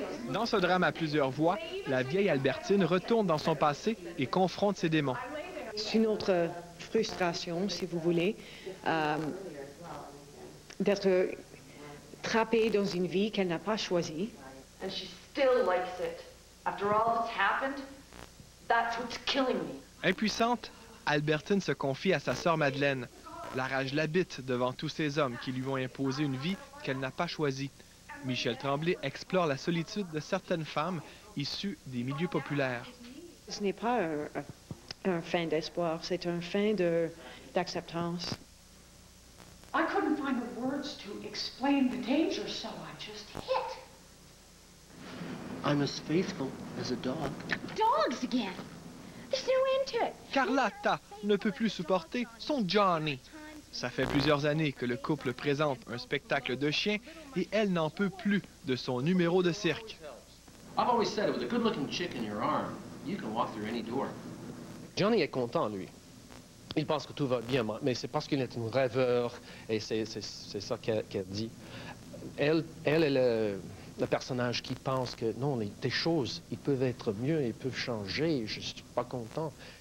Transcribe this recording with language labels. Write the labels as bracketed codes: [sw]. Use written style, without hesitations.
[fr] Dans ce drame à plusieurs voix, la vieille Albertine retourne dans son passé et confronte ses démons. C'est une autre frustration, si vous voulez, d'être trappée dans une vie qu'elle n'a pas choisie. [en] And she still likes it. After all that's happened, that's what's killing me. [fr] Impuissante, Albertine se confie à sa sœur Madeleine. La rage l'habite devant tous ces hommes qui lui ont imposé une vie qu'elle n'a pas choisie. Michel Tremblay explore la solitude de certaines femmes issues des milieux populaires. Ce n'est pas un fin d'espoir, c'est un fin d'acceptance. [en] I couldn't find the words to explain the danger, so I just hit. I'm as faithful as a dog. Dogs again? [fr] Carlotta ne peut plus supporter son Johnny. Ça fait plusieurs années que le couple présente un spectacle de chiens et elle n'en peut plus de son numéro de cirque. [en] I've always said with a good-looking chick in your arm, you can walk through any door. [fr] Johnny est content, lui. Il pense que tout va bien, mais c'est parce qu'il est un rêveur et c'est ça qu'elle dit. Elle est le personnage qui pense que non, les choses, ils peuvent être mieux, ils peuvent changer, je ne suis pas content.